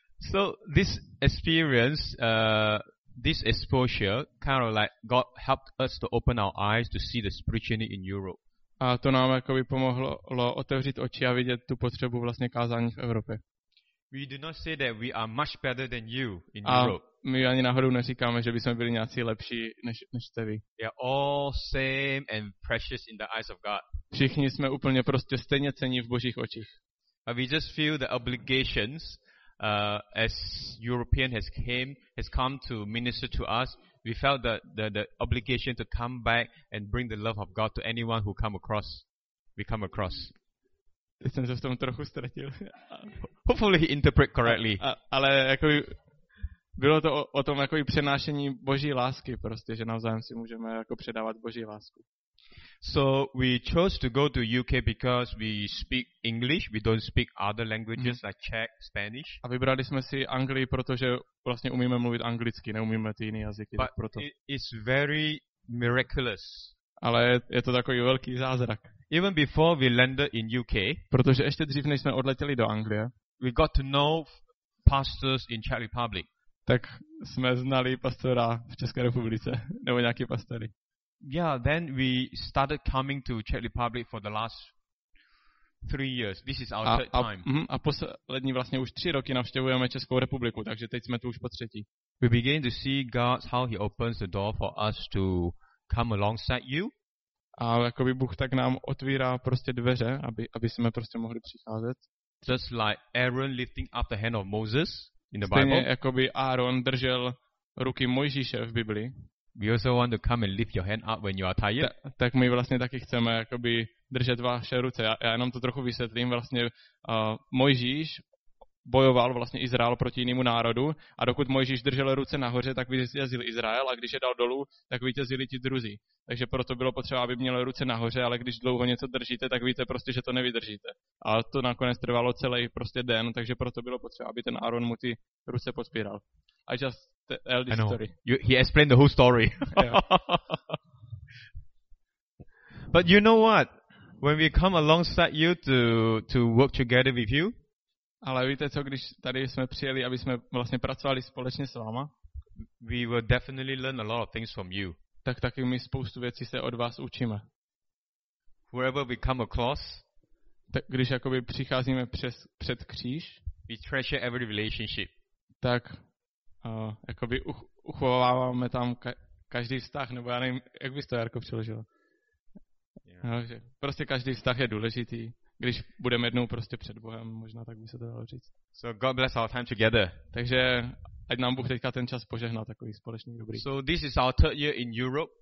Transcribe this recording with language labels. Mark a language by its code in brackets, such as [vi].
[en] So, this experience, this exposure, kind of like God helped us to open our eyes to see the spiritual need in Europe. [cs] A to nám jakoby pomohlo otevřít oči a vidět tu potřebu vlastně kázání v Evropě. [en] We do not say that we are much better than you in [cs] a [en] Europe. [cs] A my ani náhodou neříkáme, že bychom byli nějací lepší než jste vy. [en] We are all same and precious in the eyes of God. [cs] Všichni jsme úplně prostě stejně cení v Božích očích. [en] But we just feel the obligations as European has come to minister to us. We felt the obligation to come back and bring the love of God to anyone who come across. [cs] Teď jsem se v tom trochu ztratil. [en] Hopefully he interpret correctly. [cs] Ale jako bylo to o tom jako přenášení Boží lásky, prostě že navzájem si můžeme jako předávat Boží lásku. [en] So we chose to go to UK because we speak English, we don't speak other languages like Czech, Spanish. [cs] A vybrali jsme si Anglii, protože vlastně umíme mluvit anglicky, neumíme ty jiné jazyky. [en] But [cs] proto. [en] It's very miraculous. [cs] Ale je to takový velký zázrak. [en] Even before we landed in UK, [cs] protože ještě dřív, než jsme odletěli do Anglie, [en] we got to know pastors in Czech Republic. [cs] Tak jsme znali pastora v České republice, nebo nějaký pastory. [en] Yeah, then we started coming to Czech Republic for the last 3 years. This is our third time. [cs] A poslední vlastně už 3 roky navštěvujeme Českou republiku, takže teď jsme tu už po třetí. [en] We begin to see God, how he opens the door for us to come alongside you. [cs] A jakoby Bůh tak nám otvírá prostě dveře, aby jsme prostě mohli přicházet. [en] Just like Aaron lifting up the hand of Moses in the [cs] Stejně [en] Bible. [cs] Stejně jakoby Aaron držel ruky Mojžíše v Biblii. [en] We also want to come and lift your hand up when you are tired. [cs] Tak my vlastně taky chceme jakoby držet vaše ruce. Já jenom to trochu vysvětlím. Vlastně Mojžíš bojoval vlastně Izrael proti jinému národu a dokud Mojžíš držel ruce nahoře, tak vítězil Izrael a když je dal dolů, tak vítězili ti druzí. Takže proto bylo potřeba, aby měl ruce nahoře, ale když dlouho něco držíte, tak víte prostě, že to nevydržíte. A to nakonec trvalo celý prostě den, takže proto bylo potřeba, aby ten Aaron mu ty ruce podpíral. [en] I just tell this story. He explained the whole story. But you know what? When we come alongside you to work together with you, [cs] ale víte co, když tady jsme přijeli, aby jsme vlastně pracovali společně s váma. [en] we will definitely learn a lot of things from you. [cs] Tak taky my spoustu věcí se od vás učíme. [en] Wherever we come across, [cs] tak když jakoby přicházíme přes před kříž, [en] we treasure every relationship. [cs] Tak jakoby uchováváme tam každý vztah, nebo já nevím, jak bys to Jarko přiložil. No, že prostě každý vztah je důležitý, když budeme jednou prostě před Bohem, možná tak by se to dalo říct. [en] So God bless our time together. [cs] Takže ať nám Bůh teďka ten čas požehná takový společný dobrý. [en] So this is our third year in Europe.